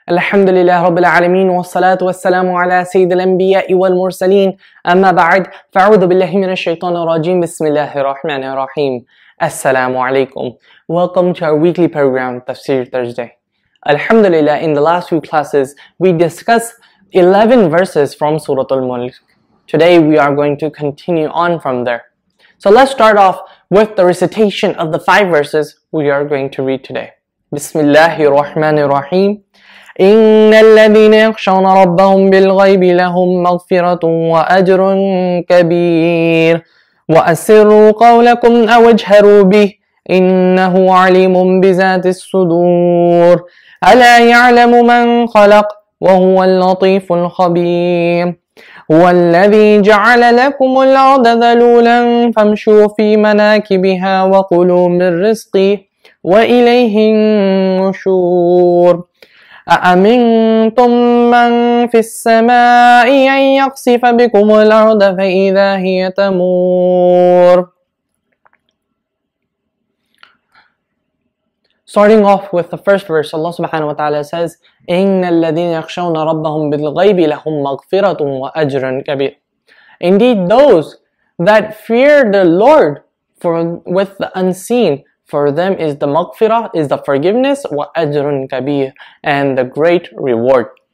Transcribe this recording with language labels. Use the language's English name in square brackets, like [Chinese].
[Arabic] الحمد لله رب العالمين والصلاة والسلام على سيد الأنبياء والمرسلين أما بعد فأعوذ بالله من الشيطان الرجيم بسم الله الرحمن الرحيم السلام عليكم. [English] Welcome to our weekly program Tafseer Thursday. Alhamdulillah, in the last few classes we discussed 11 verses from Surah Mulk. Today we are going to continue on from there. So let's start off with the recitation of the 5 verses we are going to read today. [Arabic] بسم الله الرحمن الرحيم إن الذين يخشون ربهم بالغيب لهم مغفرة وأجر كبير وأسروا قولكم أو اجهروا به إنه عليم بذات الصدور ألا يعلم من خلق وهو اللطيف الخبير هو الذي جعل لكم الأرض ذلولا فامشوا في مناكبها وكلوا من رزقه وإليه النشور أأمنتم من في السماء أن يقصف بكم الأرض فإذا هي تمور. [English] Starting off with the first verse, Allah subhanahu wa ta'ala says, [Arabic] إِنَّ الَّذِينَ يَخْشَوْنَ رَبَّهُمْ بِالْغَيْبِ لَهُمْ مَغْفِرَةٌ وَأَجْرٌ كَبِيرٌ. [English] Indeed, those that fear the Lord for with the unseen, for them is the maghfirah, is the forgiveness, [Arabic] wa ajrun kabir, [English] and the great reward.